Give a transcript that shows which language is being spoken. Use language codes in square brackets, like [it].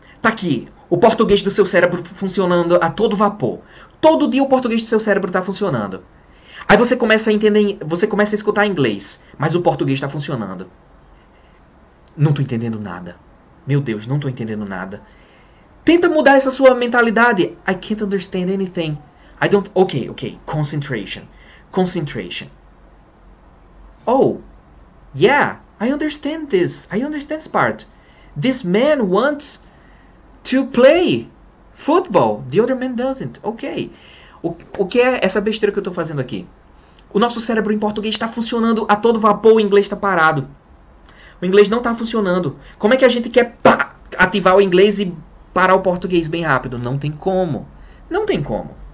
[pt] Tá aqui o português do seu cérebro funcionando a todo vapor. Todo dia o português do seu cérebro está funcionando. Aí você começa a entender, você começa a escutar inglês, mas o português está funcionando. Não estou entendendo nada. Meu Deus, não estou entendendo nada. Tenta mudar essa sua mentalidade. [en] I can't understand anything. I don't. Ok. Concentration. Concentration. Oh, yeah. I understand this. I understand this part. This man wants to play football. The other man doesn't. Ok. [pt] O que é essa besteira que eu estou fazendo aqui? O nosso cérebro em português está funcionando a todo vapor, o inglês está parado. O inglês não está funcionando. Como é que a gente quer, pá, ativar o inglês e parar o português bem rápido? Não tem como. Não tem como.